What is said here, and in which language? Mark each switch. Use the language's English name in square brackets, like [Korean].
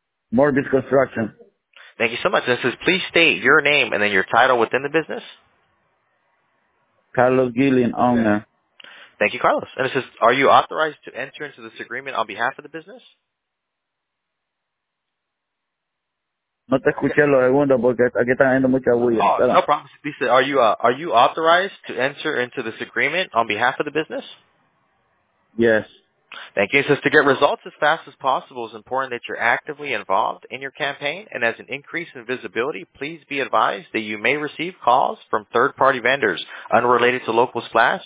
[English] Morbid Construction. Thank you so much. This is please state your name and then your title within the business. Carlos Gillian, owner. Thank you, Carlos. And it says, are you authorized to enter into this agreement on behalf of the business? [Spanish] No te escuché lo segundo porque aquí está habiendo mucha bulla. [English] Oh, no problem. He said, are you authorized to enter into this agreement on behalf of the business? Yes. Thank you. It says, to get results as fast as possible, it's important that you're actively involved in your campaign. And as an increase in visibility, please be advised that you may receive calls from third-party vendors unrelated to Local Splash.